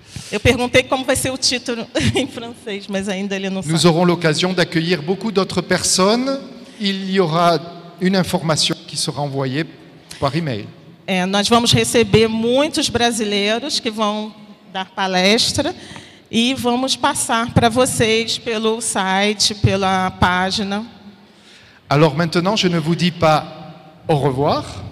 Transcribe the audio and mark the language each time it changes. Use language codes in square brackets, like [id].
[pt] Eu perguntei como vai ser o título em francês, mas ainda ele não sabe. [fr] Nous aurons l'occasion d'accueillir beaucoup d'autres personnes. Il y aura une information qui sera envoyée par email. [pt] É, nós vamos receber muitos brasileiros que vão dar palestra e vamos passar para vocês pelo site, pela página. [fr] Alors maintenant, je ne vous dis pas au revoir.